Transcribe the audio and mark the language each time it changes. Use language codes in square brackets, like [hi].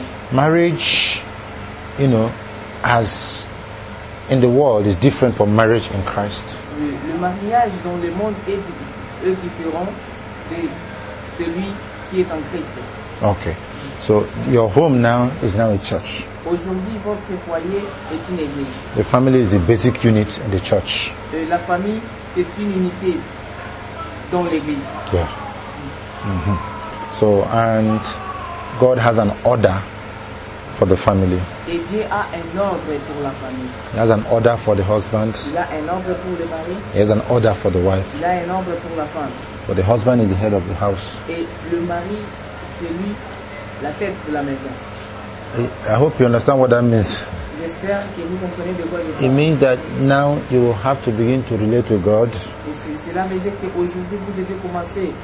[en] Marriage, you know, as in the world, is different from marriage in Christ. [fr] Le mariage dans le monde est différent de celui qui est en Christ. [en] Okay, so your home now is now a church. [fr] Aujourd'hui, votre foyer est une église. [en] The family is the basic unit in the church. [fr] La famille, c'est une unité dans l'église. Yeah. Mm-hmm. [en] So, and God has an order for the family. [fr] Et Dieu a un ordre pour la famille. [en] He has an order for the husband. [fr] Il a un ordre pour le mari. [en] He has an order for the wife. [fr] Il a un ordre pour la femme. [en] But the husband is the head of the house. [fr] Et le mari, c'est lui, la tête de la maison. [en] I hope you understand what that means. [fr] J'espère que vous comprenez de quoi je parle. [en] It means that now you will have to begin to relate to God. [fr] Cela veut dire qu'aujourd'hui vous devez commencer